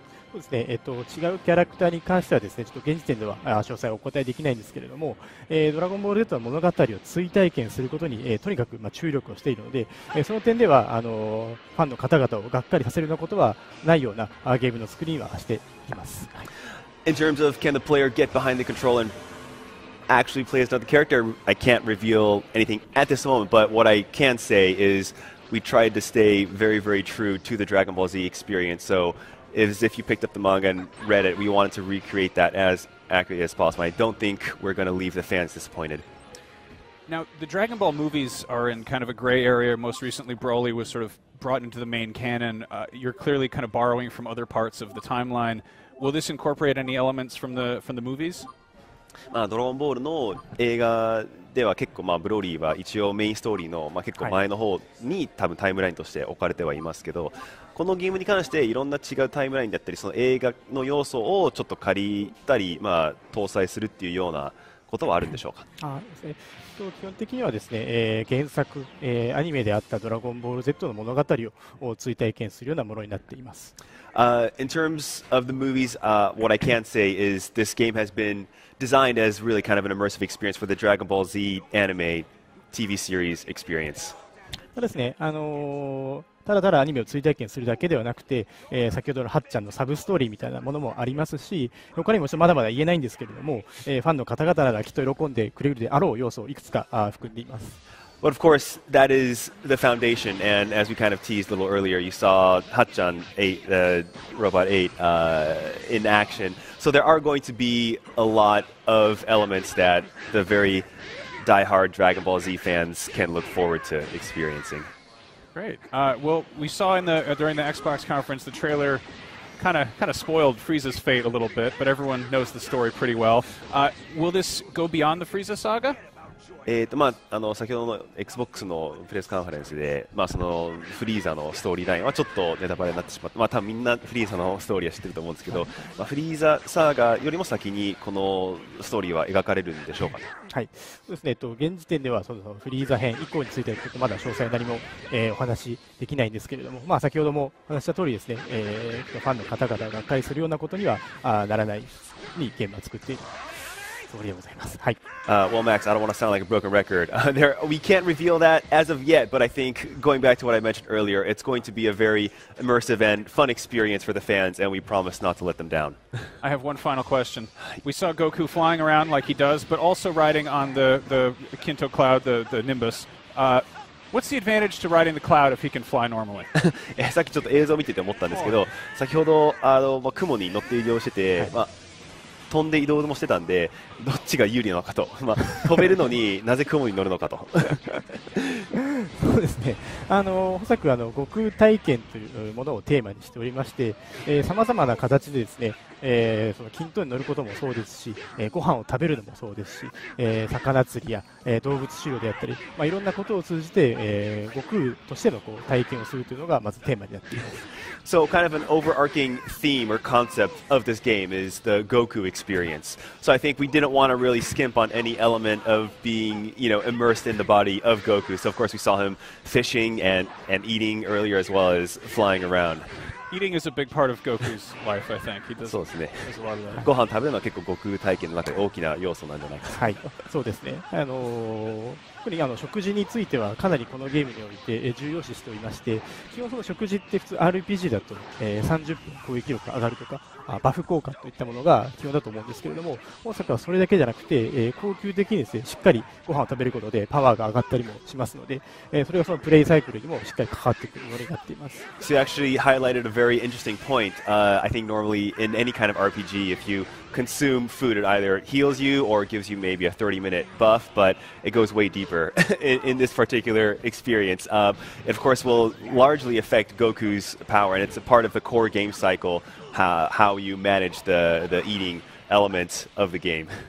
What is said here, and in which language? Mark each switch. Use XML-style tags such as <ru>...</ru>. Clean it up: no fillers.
<ja>そうですね、違うキャラクターに関してはですね、ちょっと現時点では詳細をお答えできないんですけれども、ドラゴンボール Z の物語を追体験することに、とにかく注力をしているので、その点ではファンの方々をがっかりさせるようなことはないようなゲームの作りにはしています。</ja> <en>In terms of can the player get behind the control and actually play as another character, I can't reveal anything at this moment, but what I can say is we tried to stay very, very true to the Dragon Ball Z experience, soAs if you picked up the manga and read it, we wanted to recreate that as accurately as possible. I don't think we're going to leave the fans disappointed. Now, the Dragon Ball movies are in kind of a gray area. Most recently, Broly was sort of brought into the main canon. You're clearly kind of borrowing from other parts of the timeline. Will this incorporate any elements from the movies?</en> <ja>ドラゴンボールの映画では結構ブローリーは一応メインストーリーの結構前の方に多分タイムラインとして置かれてはいますけど、このゲームに関していろんな違うタイムラインだったり、その映画の要素をちょっと借りたり、搭載するっていうようなことはあるんでしょうか。基本的にはですね、原作、アニメであったドラゴンボール Z の物語を追体験するようなものになっています。</ja> <en>In terms of the movies, what I can say is this game has been designed as really kind of an immersive experience for the Dragon Ball Z anime TV series experience.</en> <ja>そうですね、ただただアニメを追体験するだけではなくて、先ほどのハッちゃんのサブストーリーみたいなものもありますし、他にもまだまだ言えないんですけれども、ファンの方々ならきっと喜んでくれるであろう要素をいくつか含んでいます。</ja> <en>But of course, that is the foundation, and as we kind of teased a little earlier, you saw Hatchan 8, the Robot 8, in action. So there are going to be a lot of elements that the very diehard Dragon Ball Z fans can look forward to experiencing. Great. Well, we saw during the Xbox conference, the trailer kind of spoiled Frieza's fate a little bit, but everyone knows the story pretty well. Will this go beyond the Frieza saga?</en> <ja>まあ、あの先ほどの XBOX のプレスカンファレンスで、まあ、そのフリーザのストーリーラインはちょっとネタバレになってしまった、まあ、多分みんなフリーザのストーリーは知ってると思うんですけど、まあ、フリーザサーガよりも先にこのストーリーは描かれるんでしょうか、ね、はい、そうですね、現時点ではそのフリーザ編以降についてちょっとまだ詳細何も、お話できないんですけれども、まあ、先ほども話した通りですね、ファンの方々ががっかりするようなことにはならないにゲームは作っている</ja> <en>Well, Max, I don't want to sound like a broken record. There, we can't reveal that as of yet, but I think going back to what I mentioned earlier, it's going to be a very immersive and fun experience for the fans, and we promise not to let them down. I have one final question. We saw Goku flying around like he does, but also riding on the Kinto cloud, the Nimbus. What's the advantage to riding the cloud if he can fly normally?</en> <ja>さっきちょっと映像を見てて思ったんですけど、先ほどあの、まあ、雲に乗って移動してて、はい、まあ飛んで移動もしてたんで、どっちが有利なのかと、まあ、飛べるのになぜ雲に乗るのかと。そうですね、補作は悟空体験というものをテーマにしておりまして、さまざまな形でですね、その均等に乗ることもそうですし、ご飯を食べるのもそうですし、魚釣りや、動物狩猟であったり、まあ、いろんなことを通じて、悟空としてのこう体験をするというのがまずテーマになっています。</ja> <en>So kind of an overarching theme or concept of this game is the Goku experience. So I think we didn't want to really skimp on any element of being, you know, immersed in the body of Goku. So of course we saw him fishing and eating earlier as well as flying around. Eating is a big part of Goku's life, I think. He does,</en> <ja>そうですね。ご飯食べるのは結構悟空体験の中で大きな要素なんじゃないか。はい、そうですね。特にあの食事についてはかなりこのゲームにおいて重要視しておりまして、基本その食事って普通 RPG だと30分攻撃力上がるとかバフ効果といったものが基本だと思うんですけれども、本作はそれだけじゃなくて恒久的にですねしっかりご飯を食べることでパワーが上がったりもしますので、それがそのプレイサイクルにもしっかり関わってくるものになっています。</ja> <en>So you actually highlighted a very interesting point. I think normally in any kind of RPG, if youconsume food, it either heals you or gives you maybe a 30-minute buff, but it goes way deeper in this particular experience. It of course will largely affect Goku's power, and it's a part of the core game cycle, how you manage the eating elements of the game.</en>